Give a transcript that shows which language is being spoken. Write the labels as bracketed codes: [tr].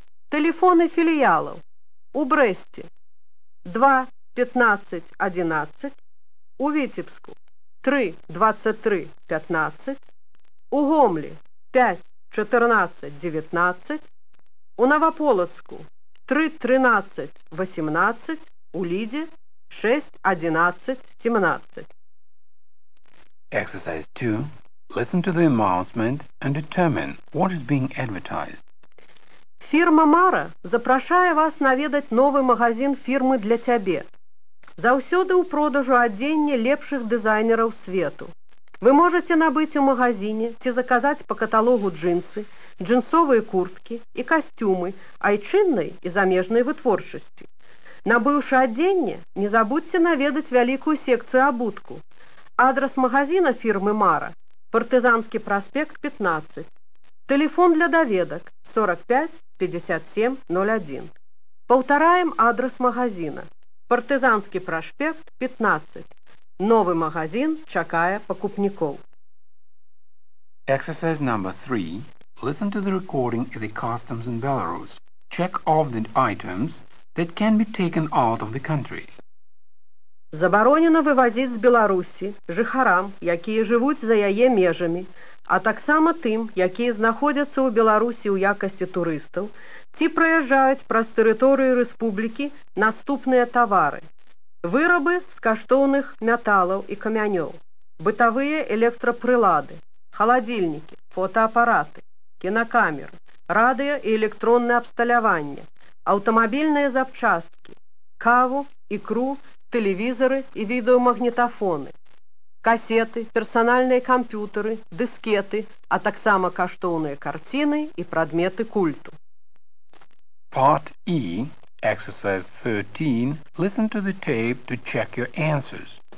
[be] Телефоны філіялаў у Брэсце 2-15-11, у Віцебску 3-23-15, у Гомлі 5-14-19, у Наваполацку 3-13-18, у Лідзе 6-11-17. [en] Exercise 2. Listen to the announcement and determine what is being advertised. [be] Фірма Мара запрашае вас наведаць новы магазін фірмы для цябе. Заўсёды ў продажу адзенне лепшых дызайнераў свету. Вы можаце набыць у магазіне ці заказаць па каталогу джынсы, джынсовыя курткі і касцюмы айчыннай і замежнай вытворчасці. Набыўшы адзенне, не забудзьце наведаць вялікую секцыю абутку. Адрас магазіна фірмы Мара – Партызанскі праспект, 15. Телефон для даведак – 45-57-01. Паўтараем адрас магазіна – Партызанскі праспект, 15. Новы магазін чакае пакупнікоў. [en] Exercise number 3. Listen to the recording at the customs in Belarus. Check off the items that can be taken out of the country. [be] Забаронена вывазіць з Беларусі жыхарам, якія жывуць за яе межамі, а таксама тым, якія знаходзяцца ў Беларусі ў якасці турыстаў, ці праязджаюць праз тэрыторыю рэспублікі наступныя тавары. Вырабы з каштоўных металаў і камянёў, бытавыя электрапрылады, халадзільнікі, фотаапараты, кінакамеры, радыё і электронныя абсталяванне, аўтамабільныя запчасткі, каву, ікру, тэлевізары і відэамагнітафоны, касеты, персанальныя камп'ютары, дыскеты, а таксама каштоўныя карціны і прадметы культу. [en] Part E, exercise 13. Listen to the tape to check your answers.